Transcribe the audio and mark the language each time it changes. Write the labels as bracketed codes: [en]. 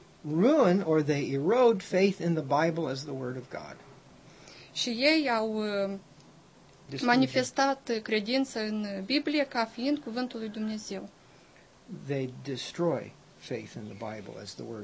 [en] ruin or they erode faith in the Bible as the Word of God. [ro] Și ei au manifestat credința în Biblie ca fiind cuvântul lui Dumnezeu. [en] They destroy faith in the Bible as the Word of